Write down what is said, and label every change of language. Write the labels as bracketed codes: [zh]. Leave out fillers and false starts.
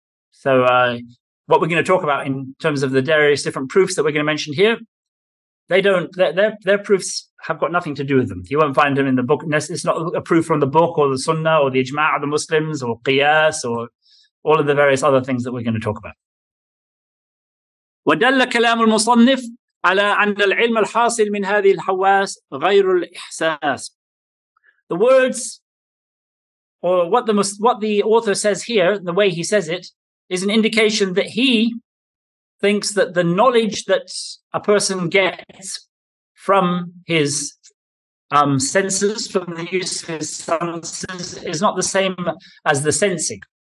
[en] So what we're going to talk about in terms of the various different proofs that we're going to mention here, their proofs have got nothing to do with them. You won't find them in the book. It's not a proof from the book or the sunnah or the ijma' of the Muslims or qiyas or all of the various other things that we're going to talk about. [ar] ودل كلام المصنف على أن العلم الحاصل من هذه الحواس غير الإحساس. [en] The words, or what the author says here, the way he says it, is an indication that he thinks that the knowledge that a person gets from his senses, from the use of his senses, is not the same as the sensing.